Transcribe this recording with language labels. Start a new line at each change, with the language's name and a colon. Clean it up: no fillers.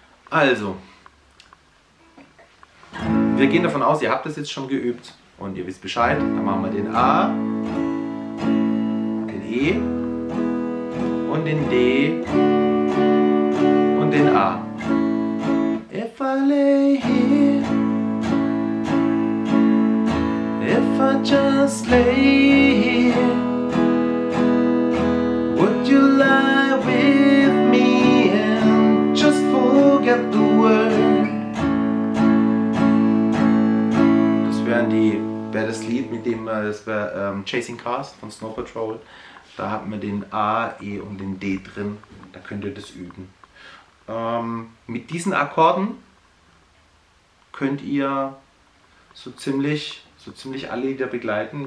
German: Also, wir gehen davon aus, ihr habt das jetzt schon geübt und ihr wisst Bescheid. Dann machen wir den A, den E und den D und den A.
English: If I lay here, if I just lay here, would you lie with me and just forget the world?
German: Das wären die, wäre das Lied mit dem, das wäre Chasing Cars von Snow Patrol. Da hat man den A, E und den D drin. Da könnt ihr das üben. Mit diesen Akkorden könnt ihr so ziemlich alle Lieder begleiten.